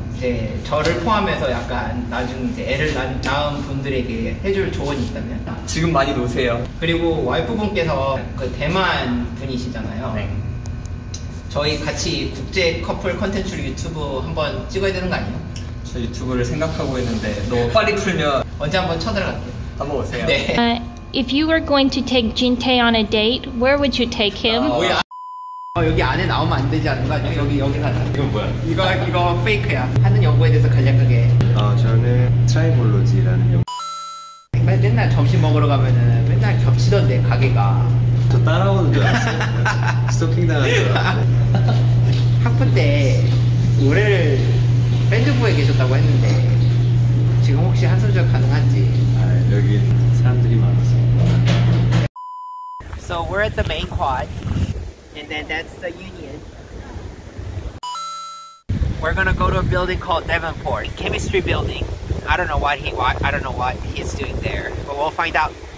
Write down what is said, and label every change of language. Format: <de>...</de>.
<ko>이제 저를 포함해서 약간 나중 이제 애를 낳은 분들에게 해줄 조언이 있다면? 지금 많이 노세요. 그리고 와이프분께서 그 대만 분이시잖아요. 네. 저희 같이 국제 커플 콘텐츠 유튜브 한번 찍어야 되는 거 아니에요? 저 유튜브를 생각하고 있는데 너무 빨리 풀면 언제 한번 쳐들어갈게요. 한번 오세요. 네.</ko> <en>If you were going to take Jinte on a date, where would you take him?</en> <ko>뭐야? 여기 안에 나오면 안 되지 않은 거 아니야? 여기 가자. 이건 뭐야? 이거 페이크야. 하는 연구에 대해서 간략하게. 저는 트라이볼로지라는 연구. 맨날 점심 먹으러 가면은 맨날 겹치던데 가게가. 저 따라오는 줄 알았어요. 스토킹 당하죠. 학부 때 올해를 밴드부에 계셨다고 했는데 지금 혹시 한손절 가능한지? 아, 여기 사람들이 많아서.</ko> <en>So we're at the main quad, and then that's the union. We're gonna go to a building called Devonport, chemistry building. I don't know what he's doing there, but we'll find out.</en>